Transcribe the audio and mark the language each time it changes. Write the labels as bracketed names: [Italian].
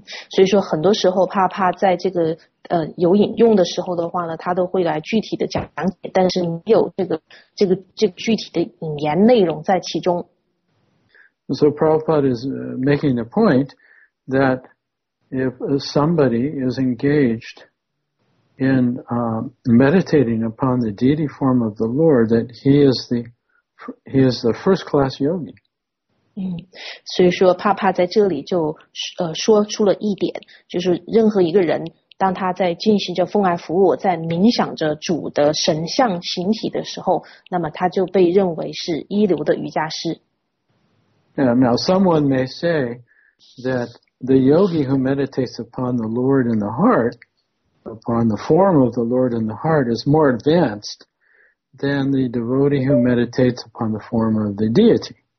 [Chinese] 所以说很多时候怕在这个有引用的时候的话呢，他都会来具体的讲解，但是没有这个具体的引言内容在其中。 [English] So Prabhupada is making the point that if somebody is engaged in meditating upon the deity form of the Lord, that he is the first class yogi. [Chinese] 所以说帕在这里就说出了一点，就是任何一个人当他在进行着奉爱服务，在冥想着主的神像形体的时候，那么他就被认为是一流的瑜伽师。 [English] Now someone may say that the yogi who meditates upon the Lord in the heart, upon the form of the Lord in the heart, is more advanced than the devotee who meditates upon the form of the deity.